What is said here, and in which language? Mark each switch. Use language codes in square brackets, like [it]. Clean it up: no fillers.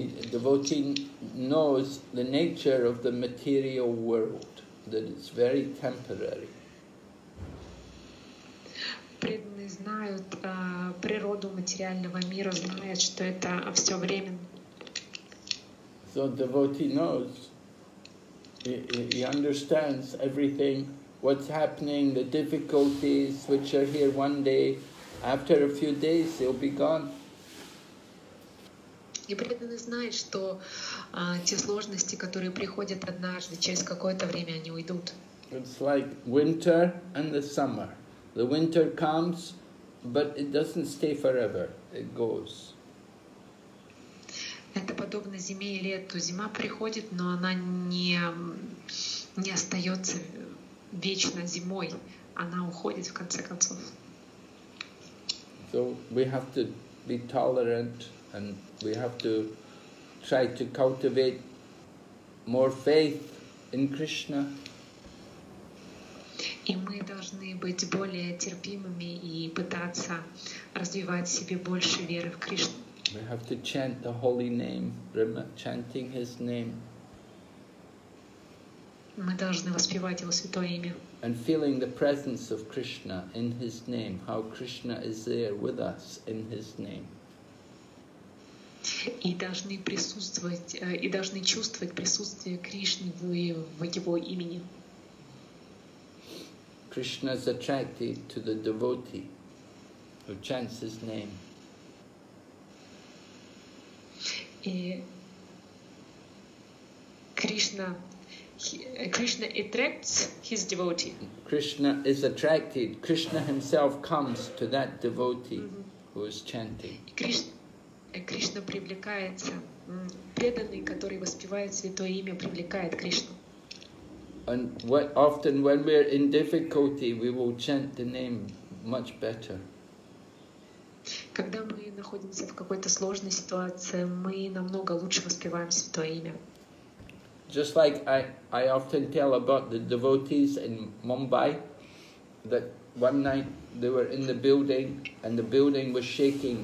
[en] Devotee knows the nature of the material world, that it's very temporary. [ru] Преданные знают природу материального мира, знают, что это все временно. [en] So devotee knows. He understands everything, what's happening, the difficulties which are here one day, after a few days they'll be gone. [ru] И преданный знает, что те сложности, которые приходят однажды, через какое-то время они уйдут. [en] It's like winter and the summer. The winter comes, but it doesn't stay forever, it goes. [ru] Это подобно зиме и лету. Зима приходит, но она не остается вечно зимой. Она уходит в конце концов. [en] So we have to be tolerant and we have to try to cultivate more faith in Krishna. [ru] И мы должны быть более терпимыми и пытаться развивать в себе больше веры в Кришну. [en] We have to chant the holy name, chanting his name. [ru] Мы должны воспевать его святое имя. [en] And feeling the presence of Krishna in his name, how Krishna is there with us in his name. [ru] И должны присутствовать, и должны чувствовать присутствие Кришны в его имени. [en] Krishna is attracted to the devotee who chants his name. Krishna attracts his devotee. Krishna is attracted. Krishna himself comes to that devotee who is chanting. [ru] Krishna привлекается. Преданный, который воспевает святое имя, привлекает Кришну. [en] And what often when we're in difficulty, we will chant the name much better. [ru] Когда мы находимся в какой-то сложной ситуации, мы намного лучше воспеваем Святое Имя. [en] Just like I often tell about the devotees in Mumbai, that one night they were in the building and the building was shaking.